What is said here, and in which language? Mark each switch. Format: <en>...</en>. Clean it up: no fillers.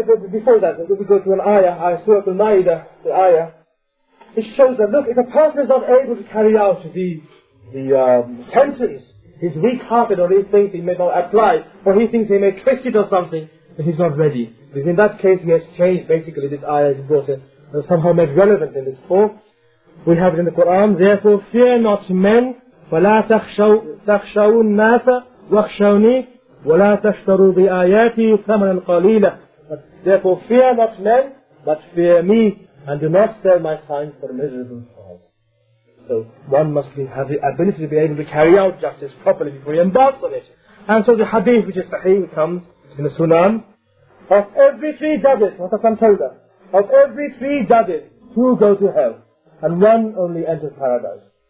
<en>Before that, if we go to an ayah, Surah Al-Ma'idah, the ayah, it shows that, look, if a person is not able to carry out the sentence, he's weak-hearted, or he thinks he may not apply, or he thinks he may twist it or something, then he's not ready. Because in that case, he has changed, basically, this ayah is brought in. somehow made relevant in this talk. We have it in the Quran. Therefore, fear not men,</en> <ar>فَلَا تَخْشَوُ النَّاسَ وَخْشَوْنِي وَلَا تَشْتَرُوا بِآيَاتِي ثَمَنًا قَلِيلًا.</ar> <en>Therefore, fear not men, but fear me, and do not sell my signs for miserable cause. So, one must have the ability to be able to carry out justice properly before he embarks on it. And so the hadith, which is sahih, comes in the Sunan. Of every three judges, what Hassan told us, of every three judges, two go to hell, and one only enters paradise.</en>